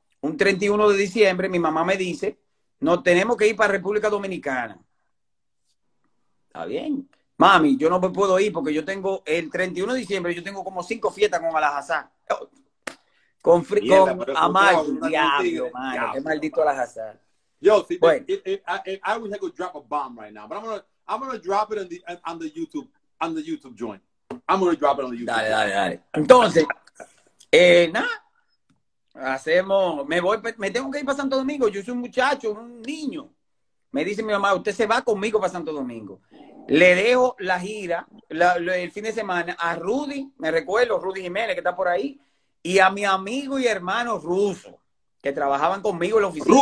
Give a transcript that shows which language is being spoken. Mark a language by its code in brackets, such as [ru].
[es] Un 31 de diciembre, mi mamá me dice, nos tenemos que ir para República Dominicana. Está bien. Mami, yo no me puedo ir porque yo tengo, el 31 de diciembre, yo tengo como 5 fiestas con Alajazá. Con Amalfi, con diablo, diablo, diablo, qué maldito Alajazá. Yo, si, bueno. [en] I wish I could drop a bomb right now, but I'm gonna drop it on the YouTube joint. I'm gonna drop it on the YouTube. [es] Dale, dale, dale. Entonces, nada, hacemos, me tengo que ir para Santo Domingo. Yo soy un muchacho, un niño. Me dice mi mamá, usted se va conmigo para Santo Domingo. Le dejo la gira, el fin de semana a Rudy, me recuerdo, Rudy Jiménez que está por ahí, y a mi amigo y hermano ruso que trabajaban conmigo en la oficina.